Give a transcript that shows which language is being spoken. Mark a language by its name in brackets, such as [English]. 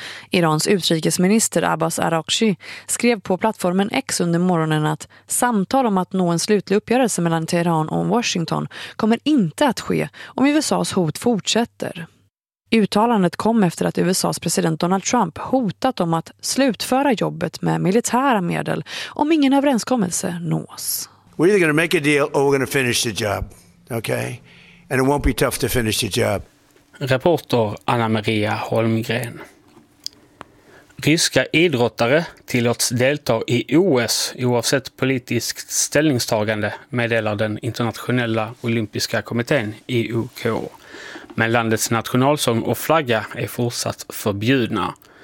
[Swedish] Irans utrikesminister Abbas Araghchi skrev på plattformen X under morgonen att samtal om att nå en slutlig uppgörelse mellan Teheran och Washington kommer inte att ske om USAs hot fortsätter. Uttalandet kom efter att USAs president Donald Trump hotat om att slutföra jobbet med militära medel om ingen överenskommelse nås. [English] We're either going to make a deal or we're going to finish the job. Okay? And it won't be tough to finish the job. [Swedish] Reporter Anna Maria Holmgren. Ryska idrottare tillåts delta i OS oavsett politiskt ställningstagande, meddelar den internationella olympiska kommittén IOK. Men landets nationalsång och flagga är fortsatt förbjudna.